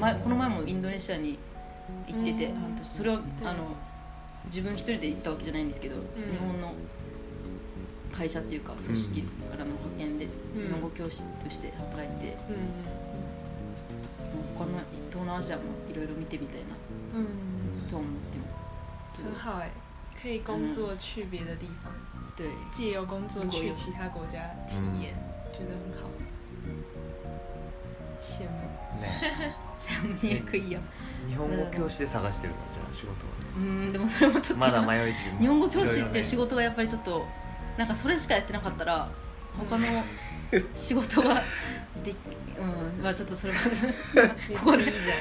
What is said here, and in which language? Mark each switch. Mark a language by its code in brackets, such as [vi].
[ja] この前もインドネシアに行ってて、うん、半年。それは、うん、あの自分一人で行ったわけじゃないんですけど、うん、日本の会社っていうか組織からの派遣で日本語教師として働いて、うんうん、他の東南アジアもいろいろ見てみたいな、うん、と思ってます。 [zh] 很好耶，可以工作去别的地方，对，借由工作去其他国家体验，嗯、觉得很好，羡慕，羡慕你也可以啊。 [ja] 日本語教師で探してるのじゃあ仕事は。でもそれもちょっとまだ迷い中。日本語教師っていう仕事はやっぱりちょっとなんかそれしかやってなかったら他の仕事がで、うん、まあちょっとそれはここで